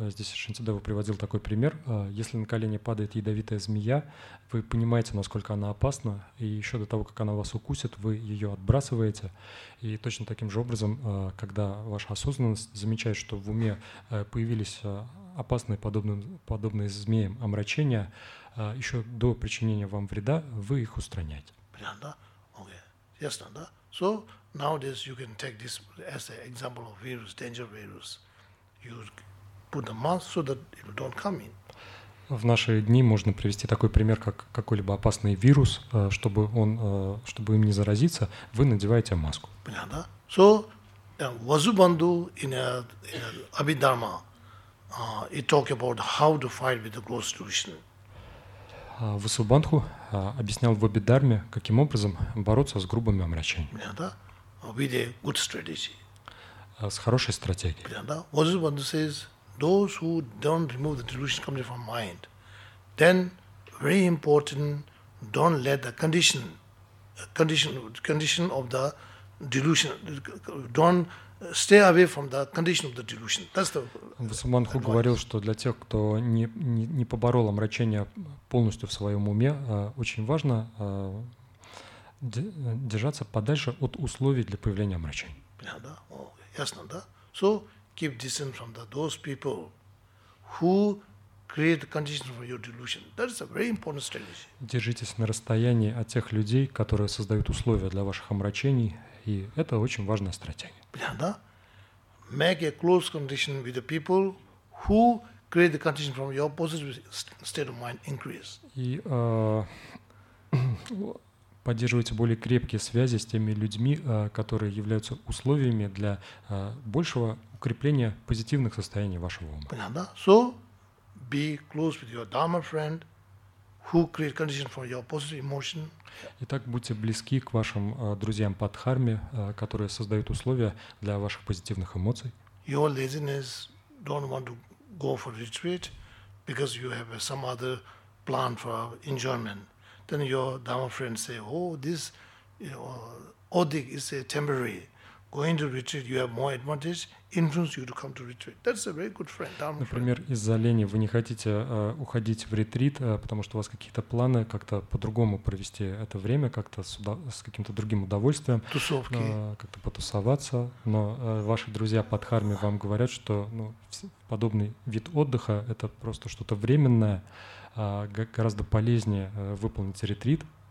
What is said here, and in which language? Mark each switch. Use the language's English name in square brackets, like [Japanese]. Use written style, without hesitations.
[Russian] Здесь Шинцедева приводил такой пример. Если на колени падает ядовитая змея, вы понимаете, насколько она опасна, и еще до того, как она вас укусит, вы ее отбрасываете. И точно таким же образом, когда ваша осознанность замечает, что в уме появились опасные подобные змеям омрачения, еще до причинения вам вреда, вы их устраняете. Понятно, да? Окей. Ясно, да? [English] So, nowadays you can take this as an example of virus, danger virus. You put the mask so that it don't come in. [Russian] В наши дни можно привести такой пример, как какой-либо опасный вирус, чтобы он, чтобы им не заразиться, вы надеваете маску. Понятно, да? [English] So, Vasubandhu in Abhidharma, it talk about how to fight with the gross delusion. [Russian] Васубандху объяснял в Абхидхарме, каким образом бороться с грубыми омрачениями. Да, в виде [English] good strategy. [Russian] С хорошей стратегией. [English] Да, Васубандху says, those who don't remove the delusions coming from mind, then very important, don't let the condition of the delusion, don't stay away from the condition of the delusion. That's the. [Russian] Васубандху говорил, что для тех, кто не поборол омрачение полностью в своем уме, очень важно держаться подальше от условий для появления омрачений. Да, ясно, да. [English] So keep distance from those people who create conditions for your delusion. That is a very important strategy. [Russian] Держитесь на расстоянии от тех людей, которые создают условия для ваших омрачений. И это очень важная стратегия. Да. [English] Make a close condition with the people who create the condition from your positive state of mind increase. [Russian] И поддерживайте более крепкие связи с теми людьми, которые являются условиями для большего укрепления позитивных состояний вашего ума. Да. [English] So be close with your dharma friend who create condition for your positive emotion. [Russian] Итак, будьте близки к вашим друзьям по дхарме, которые создают условия для ваших позитивных эмоций. [English] Your laziness don't want to go for retreat because you have some other plan for enjoyment. Then your dharma friends say, oh, this odic is a temporary. Going to retreat, you have more advantage, influence you to come to retreat. That's a very good friend. [Russian] Например, из-за лени вы не хотите уходить в ретрит, потому что у вас какие-то планы как-то по-другому провести это время, как-то с каким-то другим удовольствием, как-то потусоваться. Но ваши друзья по дхарме вам говорят, что подобный вид отдыха — это просто что-то временное, гораздо полезнее выполнить ретрит.